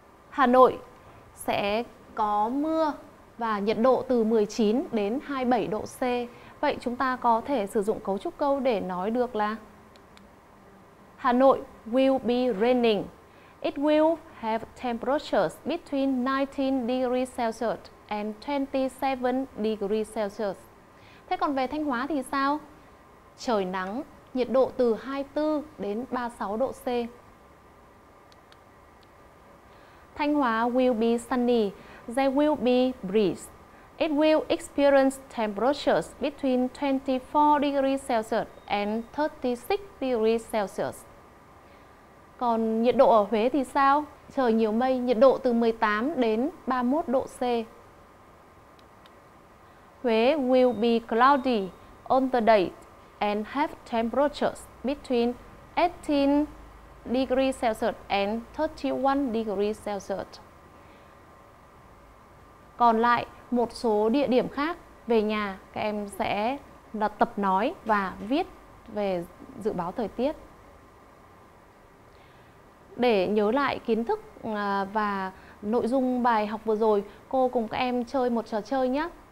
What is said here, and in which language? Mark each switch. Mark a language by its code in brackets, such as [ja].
[vi] Hà Nội sẽ có mưa và nhiệt độ từ 19 đến 27 độ C. Vậy chúng ta có thể sử dụng cấu trúc câu để nói được là [en] Hà Nội will be raining. It will have temperatures between 19 degrees Celsius and 27 degrees Celsius. [vi] Thế còn về Thanh Hóa thì sao? Trời nắng, nhiệt độ từ 24 đến 36 độ C. [en] Thanh Hóa will be sunny. There will be breeze. It will experience temperatures between 24 degrees Celsius and 36 degrees Celsius. [vi] Còn nhiệt độ ở Huế thì sao? Trời nhiều mây, nhiệt độ từ 18 đến 31 độ C. [en] Huế will be cloudy on the day and have temperatures between 18 degrees Celsius and 31 degrees Celsius. [vi] Còn lại một số địa điểm khác về nhà, các em sẽ tập nói và viết về dự báo thời tiết. Để nhớ lại kiến thức và nội dung bài học vừa rồi, cô cùng các em chơi một trò chơi nhé.